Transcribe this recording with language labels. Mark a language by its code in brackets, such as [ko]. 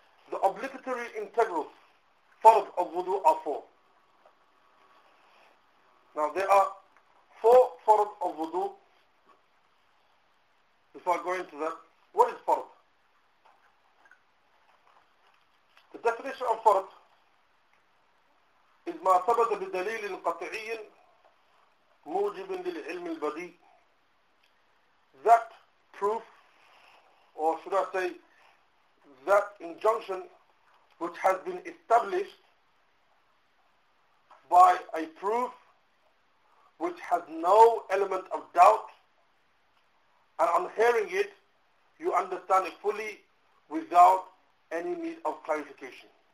[en] The obligatory integrals, farz of wudu, are four. Now there are four farz of wudu. Before I go into that, what is farz? The definition of farz is [ar] ما ثبت بدليل قطعي موجب للعلم البديء. [en] That proof, or should I say, that injunction which has been established by a proof which has no element of doubt, and on hearing it, you understand it fully without any need of clarification.